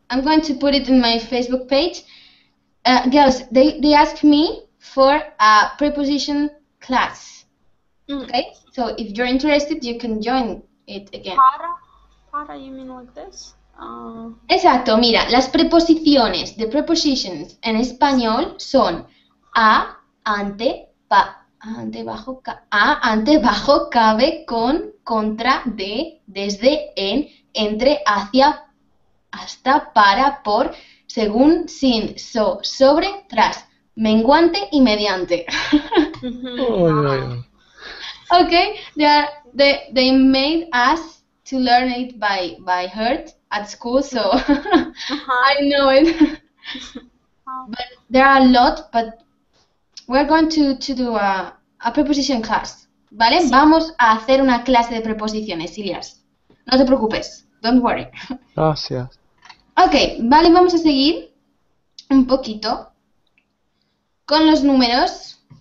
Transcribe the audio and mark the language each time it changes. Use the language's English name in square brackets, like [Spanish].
[English] I'm going to put it in my Facebook page. Girls, they asked me for a preposition class, okay? So if you're interested, you can join it again. Para, you mean like this? [Spanish] Exacto, mira, las preposiciones, the prepositions en español son a, ante, pa, ante, bajo, ca, a, ante, bajo, cabe, con, contra, de, desde, en, entre, hacia, hasta, para, por, según, sin, so, sobre, tras, menguante y mediante. [English] Oh, yeah. Okay, they made us to learn it by heart at school, so uh-huh. I know it. But there are a lot, but we're going to do a preposition class, ¿vale? [Spanish] Sí. Vamos a hacer una clase de preposiciones, Ilias. No te preocupes, don't worry. Gracias. Ok, vale, vamos a seguir un poquito con los números.